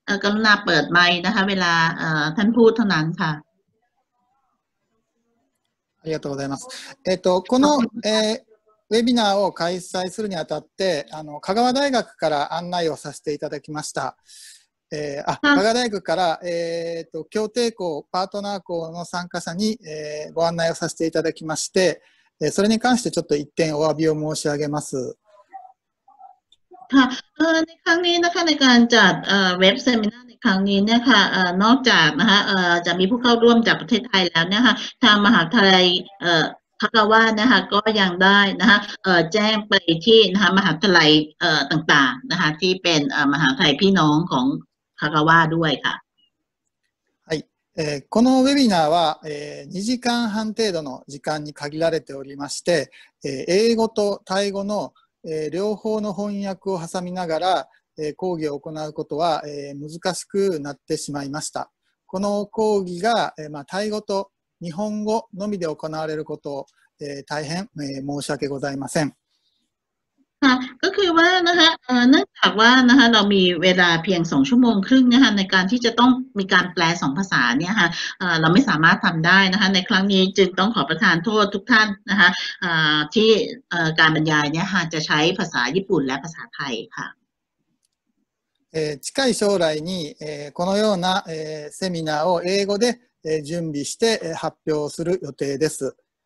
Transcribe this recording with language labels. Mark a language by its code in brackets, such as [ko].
[th] กรุณาเปิด [ja] マイクなんか、 [th] เวลาท่านพูดเท่านั้นค่ะ。 [ja] ありがとうございます。この、ウェビナーを開催するにあたって、香川大学から案内をさせていただきました。香川大学から、協定校、パートナー校の参加者に、ご案内をさせていただきまして、それに関してちょっと一点お詫びを申し上げます。 [th] ในครั้งนี้นะคะในการจัดเว็บเซมินาในครั้งนี้นะคะนอกจากนะคะจะมีผู้เข้าร่วมจากประเทศไทยแล้วนะคะทางมหาวิทยาลัยคาดว่านะคะก็ยังได้นะคะแจ้งไปที่นะคะมหาวิทยาลัยต่างๆนะคะที่เป็นมหาวิทยาลัยพี่น้องของคาดว่าด้วยค่ะ [ja] はい、このウェビナーは、2時間半程度の時間に限られておりまして、英語とタイ語の、両方の翻訳を挟みながら、講義を行うことは、難しくなってしまいました。この講義が、タイ語と日本語のみで行われることを、大変、申し訳ございません。 [th] ก็คือว่านะคะเนื่องจากว่านะคะเรามีเวลาเพียง2ชั่วโมงครึ่งนะคะในการที่จะต้องมีการแปล2ภาษาเนี่ยค่ะเราไม่สามารถทําได้นะคะในครั้งนี้จึงต้องขอประทานโทษทุกท่านนะคะที่การบรรยายเนี่ยค่ะจะใช้ภาษาญี่ปุ่นและภาษาไทยค่ะ [ja] 近い将来に、このような、セミナーを英語で準備して発表する予定です。